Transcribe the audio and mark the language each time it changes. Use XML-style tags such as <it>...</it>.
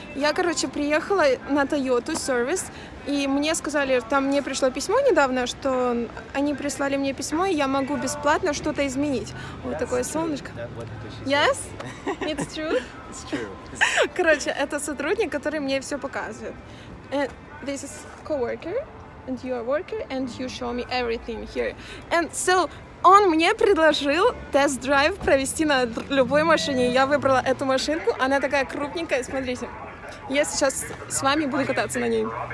<ru>Я, короче, приехала на Toyota Service, и мне сказали, там мне пришло письмо недавно, что они прислали мне письмо, и я могу бесплатно что-то изменить. Вот</ru> <en>That's</en> <ru>такое</ru> <en>true.</en> <ru>Солнышко.</ru> <en>Yes? It's true? It's true.</en> <ru>Короче, это сотрудник, который мне все показывает.</ru> <en>And this is coworker. And you are a worker, and you show me everything here.</en> <ru>And so, он мне предложил тест-драйв провести на любой машине. Я выбрала эту машинку, она такая крупненькая, смотрите. Я сейчас с вами буду кататься на ней.</ru>